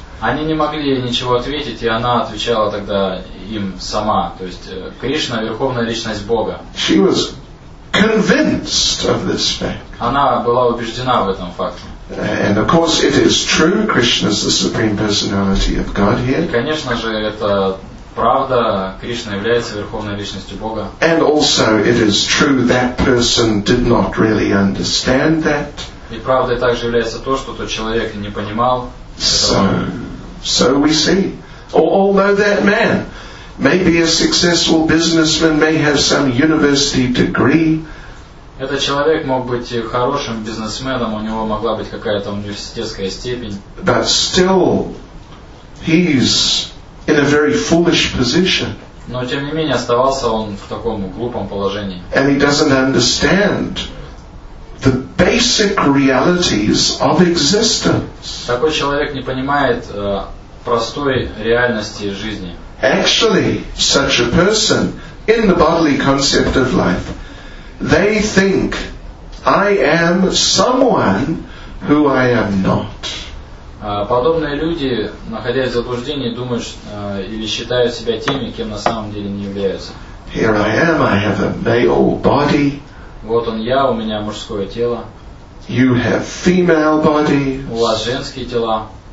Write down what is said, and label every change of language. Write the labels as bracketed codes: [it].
[ru] Они не могли ничего ответить, и она отвечала тогда им сама, то есть Кришна верховная личность Бога. [en] She was convinced of this fact. [ru] Она была убеждена в этом факте. [en] And of course, it is true. Krishna is the supreme personality of Godhead. [ru] Конечно же, это правда. Кришна является верховной личностью Бога. [en] And also, it is true that person did not really understand that. [ru] И правдой также является то, что тот человек не понимал. [en] So we see. Although that man may be a successful businessman, may have some university degree. [ru] Этот человек мог быть хорошим бизнесменом, у него могла быть какая-то университетская степень. [en] But still, he's in a very foolish position. [ru] Но тем не менее оставался он в таком глупом положении. [en] And he doesn't understand the basic realities of existence. [ru] Такой человек не понимает простой реальности жизни. [en] Actually, such a person in the bodily concept of life. They think I am someone who I am not. [ru] Подобные люди, находясь в заблуждении, думают или считают себя теми, кем на самом деле не являются. [en] Here I am, I have a male body. [ru] Вот он я, у меня мужское тело. [en] You have female bodies. [ru] У вас женские тела.